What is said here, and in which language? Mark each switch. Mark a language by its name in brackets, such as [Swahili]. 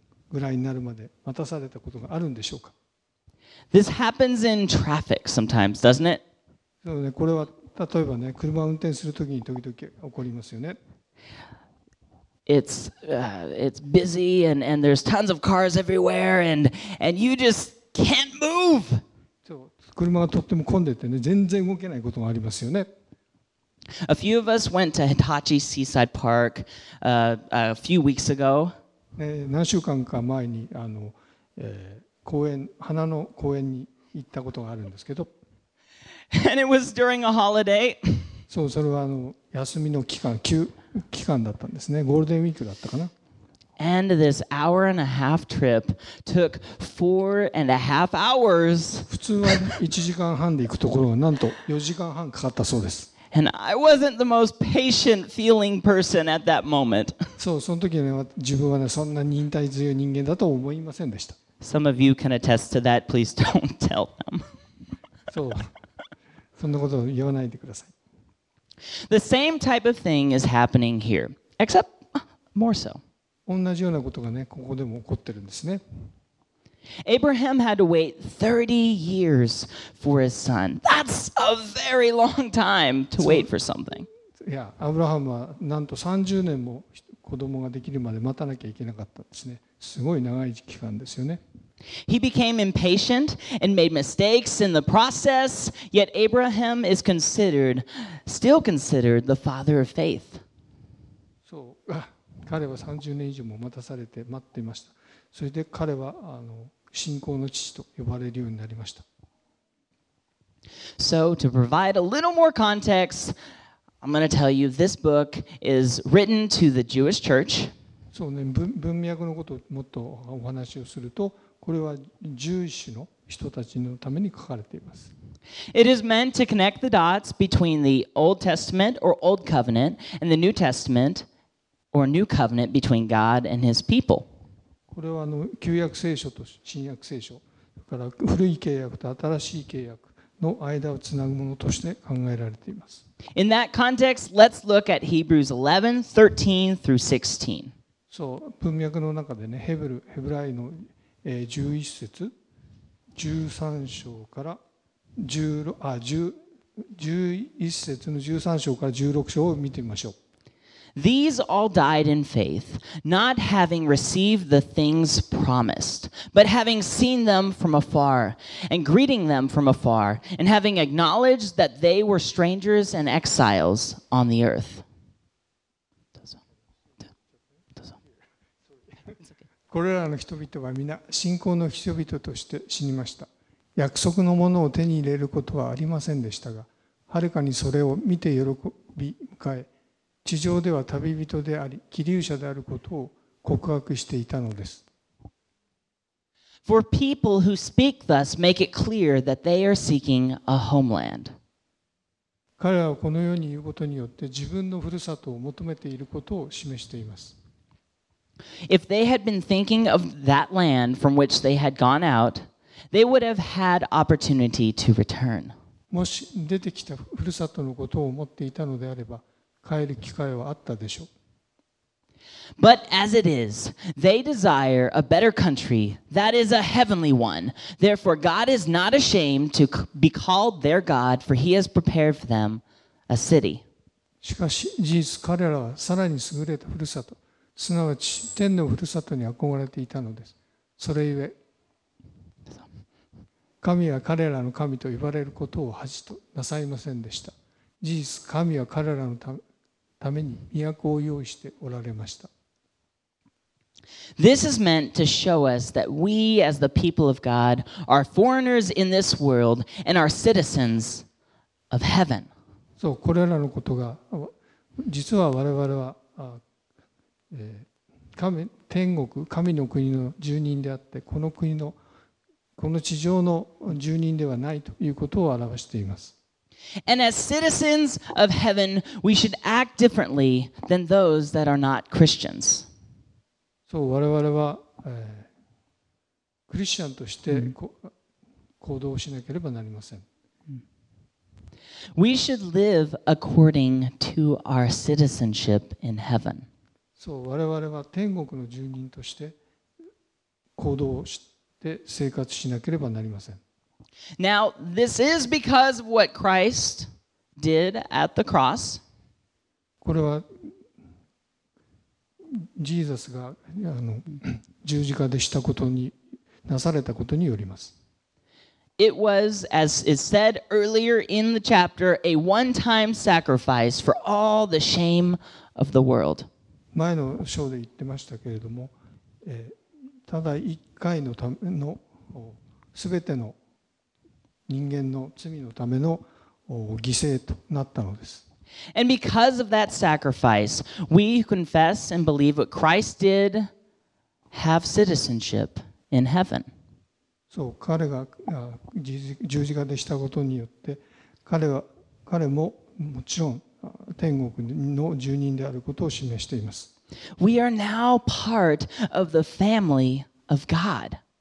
[Japanese] ぐらいになるまで待たされたことがあるんでしょうか? [English] This happens in traffic sometimes, doesn't it? [Japanese] そうね、これは例えばね、車運転するときに時々起こりますよね。 [English] It's busy and there's tons of cars everywhere and you just can't move. [Japanese] So, 車がとっても混んでてね、全然動けないことがありますよね。 [English] A few of us went to Hitachi Seaside Park a few weeks ago. [Japanese] 何週間か前にあの、公園、花の公園に行ったことがあるんですけど。 [English] And it was during a holiday. [Japanese] そう、それはあの休みの期間、休期間だったんですね。ゴールデンウィークだったかな。 [English] And this hour and a half trip took 4.5 hours. [Japanese] 普通は1時間半で行くところがなんと4時間半かかったそうです。 [English] And I wasn't the most patient feeling person at that moment. [Japanese] そう、その時は自分はね、そんな忍耐強い人間だと思いませんでした。 [English] Some of you can attest to that. Please don't tell them. [Japanese] そう、そんなことを言わないでください。 [English] The same type of thing is happening here, except more so. [Japanese] 同じようなことがね、ここでも起こってるんですね。 [English] Abraham had to wait 30 years for his son. That's a very long time to wait for something. [Japanese] Yeah, Abraham はなんと30年も子供ができるまで待たなきゃいけなかったんですね。すごい長い期間ですよね。 [English] He became impatient and made mistakes in the process, yet Abraham is considered, still considered the father of faith. [Japanese] そう、彼は30年以上も待たされて待っていました。それで彼はあの信仰の父と呼ばれるようになりました。 [English] So, to provide a little more context, I'm going to tell you this book is written to the Jewish church. [Japanese] そうね、文脈のことをもっとお話をすると、これはジューイシュの人たちのために書かれています。 [English] It is meant to connect the dots between the Old Testament or Old Covenant and the New Testament or New Covenant between God and His people. [Japanese] これはあの旧約聖書と新約聖書、それから古い契約と新しい契約の間をつなぐものとして考えられています。 [English] In that context, let's look at Hebrews 11, 13 through 16. [Japanese] そう、文脈の中でね、ヘブライの11節、13章から11節の13章から16章を見てみましょう。 [English] These all died in faith, not having received the things promised, but having seen them from afar, and greeting them from afar, and having acknowledged that they were strangers and exiles on the earth. [Japanese] これらの人々は皆信仰の人々として死にました。約束のものを手に入れることはありませんでしたが、はるかにそれを見て喜び迎え、地上では旅人であり、寄留者であることを告白していたのです。 [English] For people who speak thus make it clear that they are seeking a homeland. [Japanese] 彼らはこのように言うことによって自分のふるさとを求めていることを示しています。 [English] If they had been thinking of that land from which they had gone out, they would have had opportunity to return. [Japanese] もし出てきたふるさとのことを思っていたのであれば、帰る機会はあったでしょう。 [English] But as it is, they desire a better country, that is a heavenly one. Therefore, God is not ashamed to be called their God, for he has prepared for them a city. [Japanese] しかし、事実、彼らはさらに優れたふるさと、すなわち天のふるさとに憧れていたのです。それゆえ、神は彼らの神と呼ばれることを恥となさいませんでした。事実、神は彼らのために都を用意しておられました。 [English] This is meant to show us that we, as the people of God, are foreigners in this world and are citizens of heaven. [Japanese] そう、これらのことが、実は我々は、天国、神の国の住人であって、この国の、この地上の住人ではないということを表しています。 [English] And as citizens of heaven, we should act differently than those that are not Christians. [Japanese] そう、我々は、クリスチャンとして、行動しなければなりません。 [English] We should live according to our citizenship in heaven. [Japanese] そう、我々は天国の住人として、行動して生活しなければなりません。 [English] Now, this is because of what Christ did at the cross. [Japanese] これはジーザスが十字架でしたことになされたことによります。 [English] It was, as is said earlier in the chapter, a one-time sacrifice for all the shame of the world. [Japanese] 前の章で言ってましたけれども、ただ一回のための、すべての人間の罪のための犠牲となったのです。 [English] And because of that sacrifice, we who confess and believe what Christ did have citizenship in heaven. [Japanese] そう、彼が十字架でしたことによって、彼ももちろん天国の住人であることを示しています。 [English] We are now part of the family of God.